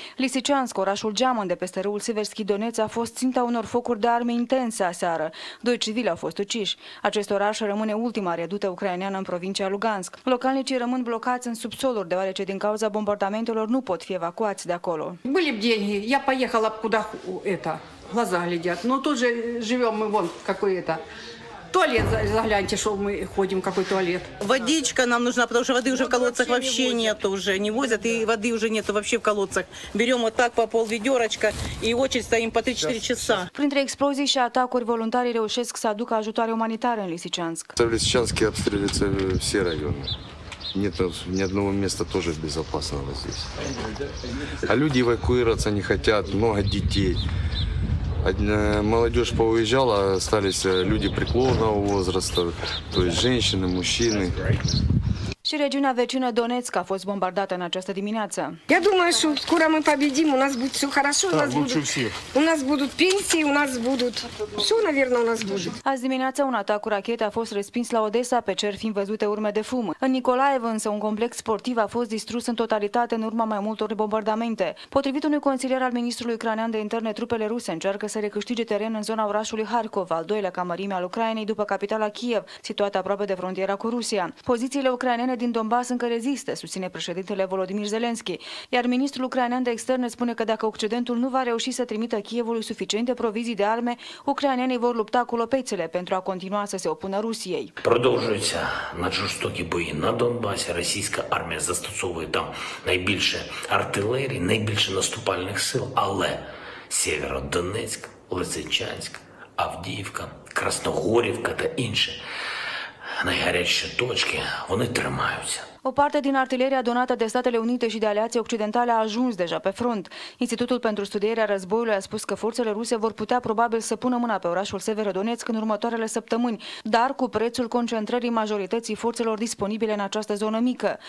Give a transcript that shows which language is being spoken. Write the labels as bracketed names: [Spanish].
[Romanian] Lisiciansk, orașul geamă de peste râul Siverski-Doneț, a fost ținta unor focuri de arme intense aseară. 2 civili au fost uciși. Acest oraș rămâne ultima redută ucraineană în provincia Lugansk. Localnicii rămân blocați în subsoluri, deoarece din cauza bombardamentelor nu pot fi evacuați de acolo. [Russian] Були деньги, я поехала куда это, глаза глядят. Ну тут же живем мы вон какой это. [Ukrainian] Туалет загляньте, що ми ходимо, який туалет. [Russian] Водичка нам нужна, [Ukrainian] тому що води вже в колодцях взагалі нету, вже не возять, і води вже нету взагалі в колодцях. Беремо отак по пол відьорочка і очередь стоїмо по 3-4 часа. [Romanian] Printre explozii și atacuri, voluntarii reușesc să aducă ajutoare umanitare în Lisiciansk. [Russian] В Лисичанске обстреливаются все районы. Нет ни одного места тоже безопасного здесь. А люди эвакуироваться не хотят, [Ukrainian] много дітей. [Russian] Молодежь поуезжала, остались люди преклонного возраста, то есть женщины, мужчины. [Romanian] Și regiunea vecină Donețk a fost bombardată în această dimineață. [Russian] Я думаю, что скоро мы победим, у нас будет все хорошо, у нас будут пенсии, у нас будут все, наверное, у нас будет. [Romanian] Azi dimineața, un atac cu rachete a fost respins la Odessa, pe cer fiind văzute urme de fum. În Nicolaev, însă, un complex sportiv a fost distrus în totalitate în urma mai multor bombardamente. Potrivit unui consilier al ministrului ucrainean de interne, trupele ruse încearcă să recâștige teren în zona orașului Harkov, al doilea ca mărime al Ucrainei după capitala Kiev, situată aproape de frontiera cu Rusia. Pozițiile ucrainene din Donbass încă rezistă, susține președintele Volodymyr Zelensky. Iar ministrul ucrainean de externe spune că dacă Occidentul nu va reuși să trimită Kievului suficiente provizii de arme, ucrainenii vor lupta cu lopețele pentru a continua să se opună Rusiei. [Ukrainian] Продовжуються наджорстокі бої на Донбасі. Російська армія застосовує там найбільше артилерії, найбільше наступальних сил, але Сєвєродонецьк Лисичанськ, Авдіївка, Красногорівка та інше найгарячіші точки, вони тримаються. [Romanian] O parte din artileria donată de Statele Unite și de aliații occidentale a ajuns deja pe front. Institutul pentru Studierea Războiului a spus că forțele ruse vor putea probabil să pună mâna pe orașul Severodonețk în următoarele săptămâni, dar cu prețul concentrării majorității forțelor disponibile în această zonă mică.